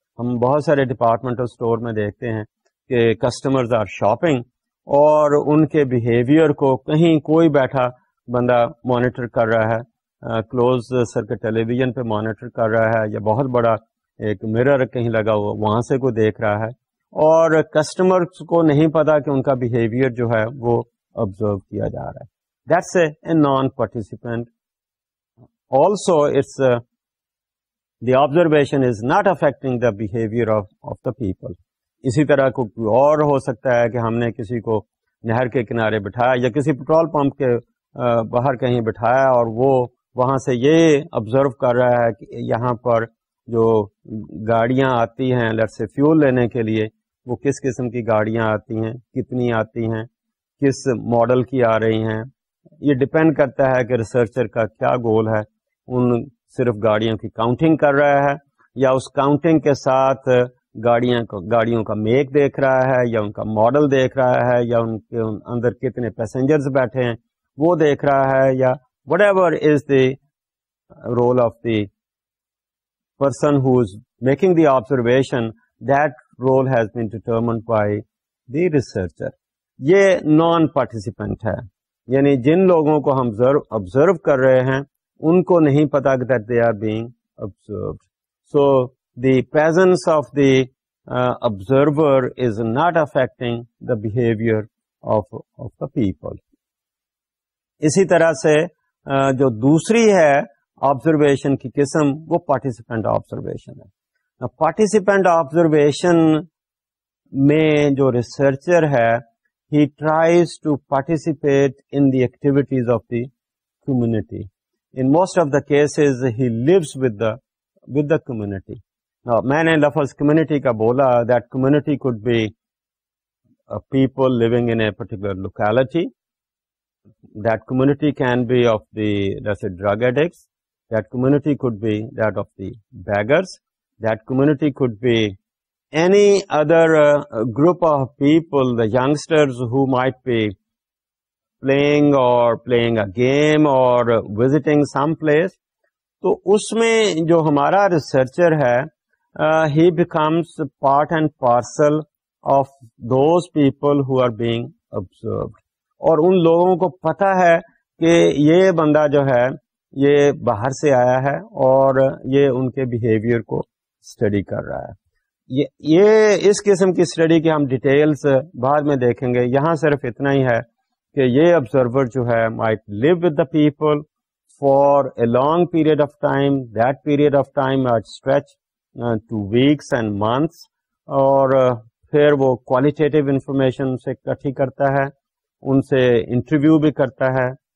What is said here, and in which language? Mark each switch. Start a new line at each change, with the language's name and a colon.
Urdu: ہم بہت سارے ڈپارٹمنٹل اسٹور میں دیکھتے ہیں کہ
English: customers are shopping
Urdu: اور ان کے بیہیویئر کو کہیں کوئی بیٹھا بندہ مانیٹر کر رہا ہے, کلوز سرکٹ ٹیلی ویژن پہ مانیٹر کر رہا ہے, یا بہت بڑا ایک مرر کہیں لگا ہوا وہاں سے کوئی دیکھ رہا ہے اور کسٹمر کو نہیں پتا کہ ان کا بیہیویئر جو ہے وہ آبزرو کیا جا رہا ہے.
English: That's a non participant. Also it's the observation is not affecting the behaviour of the people.
Urdu: اسی طرح کوئی اور ہو سکتا ہے کہ ہم نے کسی کو نہر کے کنارے بٹھایا یا کسی پٹرول پمپ کے باہر کہیں بٹھایا اور وہ وہاں سے یہ آبزرو کر رہا ہے کہ یہاں پر جو گاڑیاں آتی ہیں لیٹس سے فیول لینے کے لیے وہ کس قسم کی گاڑیاں آتی ہیں, کتنی آتی ہیں, کس ماڈل کی آ رہی ہیں. یہ ڈپینڈ کرتا ہے کہ ریسرچر کا کیا گول ہے, ان صرف گاڑیوں کی کاؤنٹنگ کر رہا ہے یا اس کاؤنٹنگ کے ساتھ گاڑیوں کا میک دیکھ رہا ہے یا ان کا ماڈل دیکھ رہا ہے یا ان کے اندر کتنے پیسنجرز بیٹھے ہیں وہ دیکھ رہا ہے یا
English: Whatever is the role of the person who is making the observation, that role has been determined by the researcher.
Urdu: یہ نان پارٹیسپینٹ ہے, یعنی جن لوگوں کو ہم آبزرو کر رہے ہیں ان کو نہیں پتا
English: That they are being observed. So the presence of the observer is not affecting the behaviour of the people.
Urdu: اسی طرح سے جو دوسری ہے آبزرویشن کی قسم وہ پارٹیسپینٹ آبزرویشن ہے. پارٹیسپینٹ آبزرویشن میں جو ریسرچر ہے
English: He tries to participate in the activities of the community. In most of the cases he lives with the community.
Urdu: میں نے لفظ کمیونٹی کا بولا,
English: That community could be people living in a particular locality, that community can be of the let's say drug addicts, that community could be that of the beggars, that community could be any other group of people, the youngsters who might be playing or playing a game or visiting some place.
Urdu: To usme jo hamara researcher hai,
English: he becomes part and parcel of those people who are being observed.
Urdu: Aur un logon ko pata hai ki ye banda jo hai یہ باہر سے آیا ہے اور یہ ان کے behaviour کو study کر رہا ہے. یہ اس قسم کی اسٹڈی کے ہم ڈیٹیلز بعد میں دیکھیں گے. یہاں صرف اتنا ہی ہے کہ یہ آبزرور جو ہے
English: might live with the people for a long period of time, that period of time آج stretch to weeks and months,
Urdu: اور پھر وہ کوالیٹیٹیو انفارمیشن سے اکٹھی کرتا ہے,
English: ان سے انٹرویو بھی کرتا ہے,